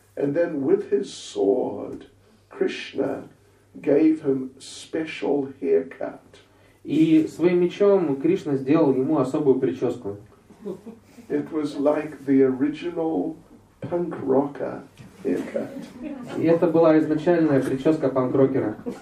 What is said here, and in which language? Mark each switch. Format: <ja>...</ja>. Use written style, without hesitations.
<en>And then with his sword, Krishna gave him special haircut.</en> <ru>И своим мечом Кришна сделал ему особую прическу.</ru> <en>It was like the original punk rocker haircut.</en> <ru>И это была изначальная прическа панк-рокера.</ru>